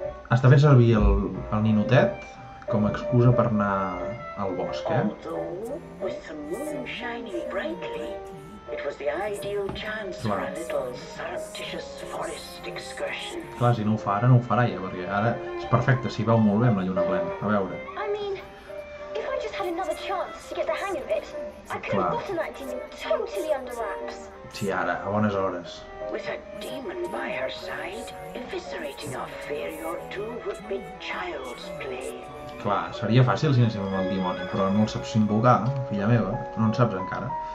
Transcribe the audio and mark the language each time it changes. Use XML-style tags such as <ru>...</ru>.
<ca>Has de fer servir el ninotet? Com a excusa per anar al bosc, eh?</ca> <en>Although, with the moon shining brightly, it was the ideal chance for a little surreptitious forest excursion.</en> <ca>Clar, si no ho fa ara, no ho farà ja, perquè ara és perfecte, s'hi veu molt bé amb la lluna plena. A veure.</ca> <en>I mean, if I just had another chance to get the hang of it, I could have gotten that demon totally under wraps.</en> <ca>Sí, ara, a bones hores.</ca> <en>With a demon by her side, eviscerating our fear or two would be child's play.</en> <ca>Clar, seria fàcil si anéssim amb el dimoni, però no el saps invocar, filla meva, no en saps encara.</ca>